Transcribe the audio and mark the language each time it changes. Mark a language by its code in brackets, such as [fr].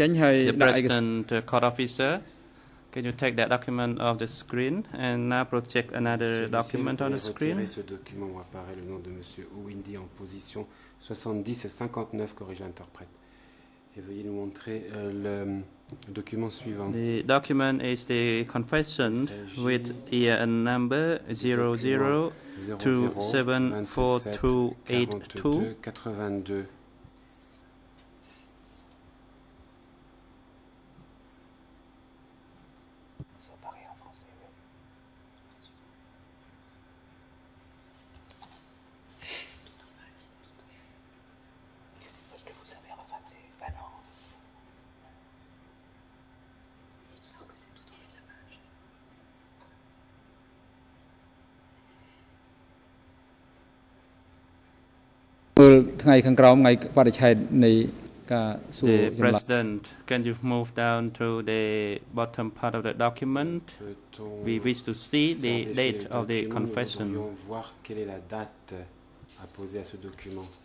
[en] President, court officer, can you take that document off the screen and now project another document on the screen? [fr] Ce document où apparaît le nom de Monsieur Owindi en position 70 et 59, corrigé interprète. Et veuillez nous montrer le document suivant. [en] The document is the confession with year and number 00274282. The President, can you move down to the bottom part of the document? We wish to see the date of the confession. [fr] Nous voulons voir quelle est la date à poser à ce document.